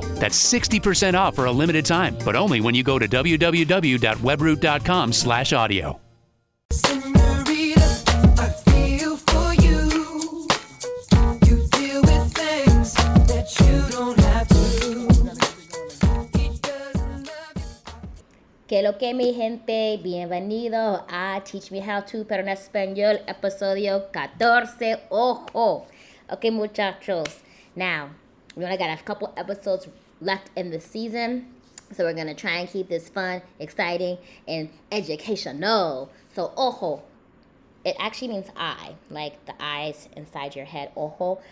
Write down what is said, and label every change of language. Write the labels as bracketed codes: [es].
[en] That's 60% off for a limited time, but only when you go to www.webroot.com/audio. Senorita, I feel for you. You deal with things that you don't have to. [es] Que lo que mi gente, bienvenido a Teach Me How To Pero en Español, episodio 14, ojo. [en] Okay, muchachos, now, we only got a couple episodes left in the season, so we're going to try and keep this fun, exciting, and educational. So, ojo, it actually means eye, like the eyes inside your head, ojo.